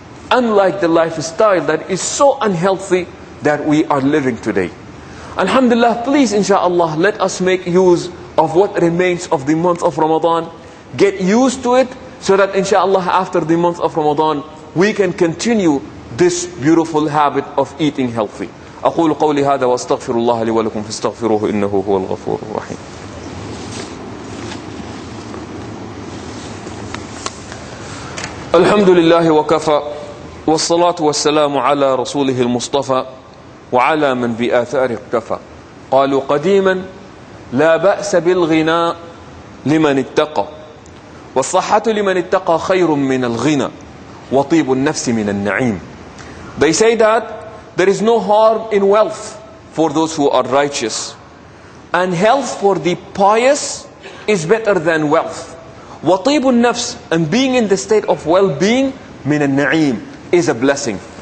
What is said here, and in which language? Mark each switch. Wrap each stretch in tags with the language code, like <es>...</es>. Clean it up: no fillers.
<en>Unlike the lifestyle that is so unhealthy that we are living today. Alhamdulillah, please inshallah, let us make use of what remains of the month of Ramadan. Get used to it so that inshallah after the month of Ramadan, we can continue this beautiful habit of eating healthy.</en> <ar>أقول قولي هذا وأستغفر الله لي ولكم فاستغفروه إنه هو الغفور الرحيم. الحمد لله وكفى والصلاة والسلام على رسوله المصطفى وعلى من بآثار اقتفى. قالوا قديما لا بأس بالغناء لمن اتقى، والصحة لمن اتقى خير من الغنى، وطيب النفس من النعيم.</ar> <en>They say that there is no harm in wealth for those who are righteous, and health for the pious is better than wealth.</en> <ar>وطيب النفس,</ar> <en>and being in the state of well-being,</en> <ar>من النعيم,</ar> <en>is a blessing.</en>